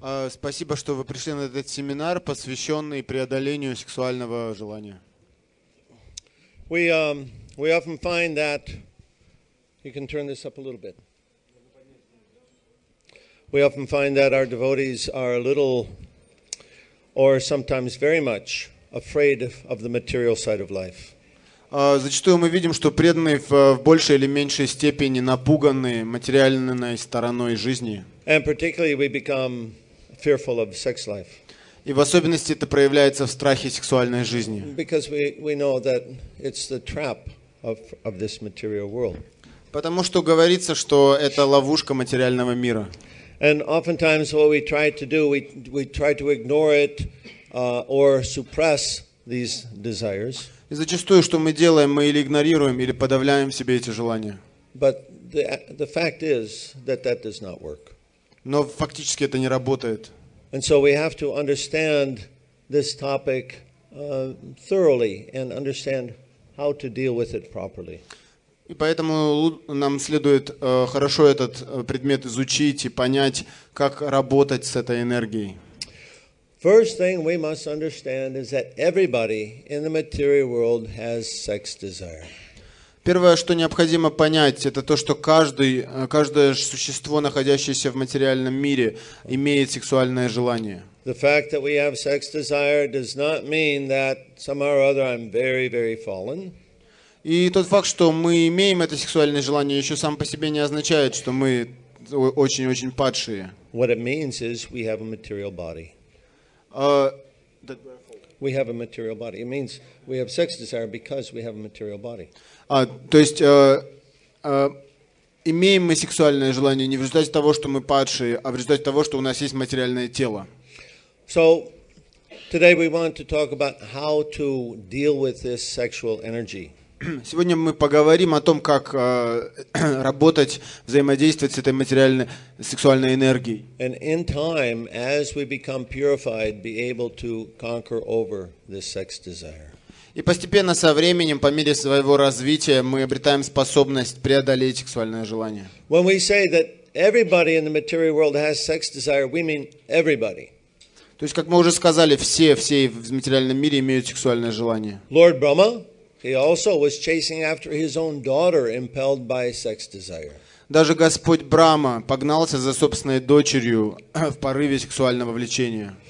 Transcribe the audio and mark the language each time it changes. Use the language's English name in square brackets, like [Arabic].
[Russian] Спасибо, что вы пришли на этот семинар, посвященный преодолению сексуального желания. [English] We often find that, you can turn this up a little bit. We often find that our devotees are a little, or sometimes very much, afraid of the material side of life. [Russian] Зачастую мы видим, что преданные в большей или меньшей степени напуганы материальной стороной жизни. [English] And particularly we become fearful of sex life. [Russian] И в особенности это проявляется в страхе сексуальной жизни. [English] Because we know that it's the trap of this material world. [Russian] Потому что говорится, что это ловушка материального мира. [English] And oftentimes what we try to do, we try to ignore it or suppress these desires. [Russian] И зачастую, что мы делаем, мы или игнорируем, или подавляем в себе эти желания. [English] But the fact is that that does not work. [Russian] Но фактически это не работает. [English] And so we have to understand this topic thoroughly and understand how to deal with it properly. [Russian] И поэтому нам следует хорошо этот предмет изучить и понять, как работать с этой энергией. [English] First thing we must understand is that everybody in the material world has sex desire. [Russian] Первое, что необходимо понять, это то, что каждое существо, находящееся в материальном мире, имеет сексуальное желание. [English] The fact that we have sex desire does not mean that somehow or other I'm very, very fallen. [Russian] И тот факт, что мы имеем это сексуальное желание, еще сам по себе не означает, что мы очень-очень падшие. [English] What it means is we have a material body. We have a material body. It means we have sex desire because we have a material body. [Russian] То есть имеем мы сексуальное желание не в результате того, что мы падшие, а в результате того, что у нас есть материальное тело. [English] So today we want to talk about how to deal with this sexual energy. [Russian] Сегодня мы поговорим о том, как работать, взаимодействовать с этой материальной сексуальной энергией. [English] And in time, as we become purified, be able to conquer over this sex desire. [Russian] И постепенно со временем, по мере своего развития, мы обретаем способность преодолеть сексуальное желание. [English] When we say that everybody in the material world has sex desire, we mean everybody. [Russian] То есть, как мы уже сказали, все в материальном мире имеют сексуальное желание. [English] Lord Brahma. He also was chasing after his own daughter, impelled by sex desire. [Russian] Даже Господь Брама погнался за собственной дочерью в порыве сексуального влечения.